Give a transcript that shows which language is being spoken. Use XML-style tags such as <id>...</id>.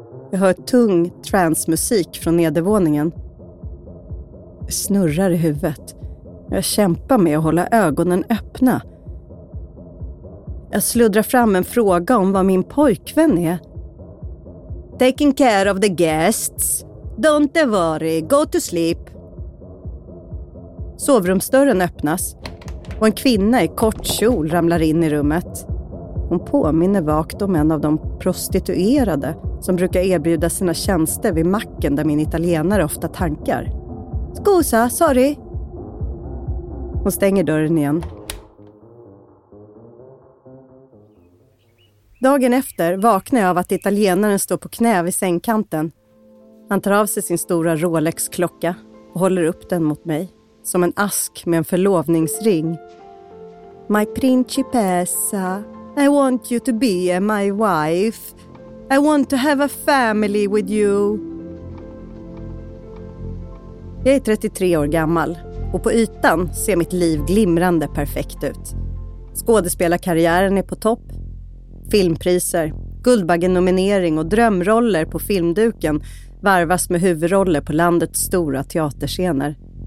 <sv>Jag hör tung transmusik från nedervåningen. Jag snurrar i huvudet. Jag kämpar med att hålla ögonen öppna. Jag sluddrar fram en fråga om vad min pojkvän är.</sv> <en>Taking care of the guests. Don't worry, go to sleep.</en> <sv>Sovrumsdörren öppnas och en kvinna i kort kjol ramlar in i rummet. Hon påminner vakt om en av de prostituerade som brukar erbjuda sina tjänster vid macken där min italienare ofta tankar. Scusa, sorry. Hon stänger dörren igen. Dagen efter vaknar jag av att italienaren står på knä vid sängkanten. Han tar av sig sin stora Rolex-klocka och håller upp den mot mig. Som en ask med en förlovningsring.</sv> <en>My principessa, I want you to be my wife. I want to have a family with you.</en> <sv>Jag är 33 år gammal och på ytan ser mitt liv glimrande perfekt ut. Skådespelarkarriären är på topp. Filmpriser, Guldbaggen-nominering och drömroller på filmduken varvas med huvudroller på landets stora teaterscener.</sv>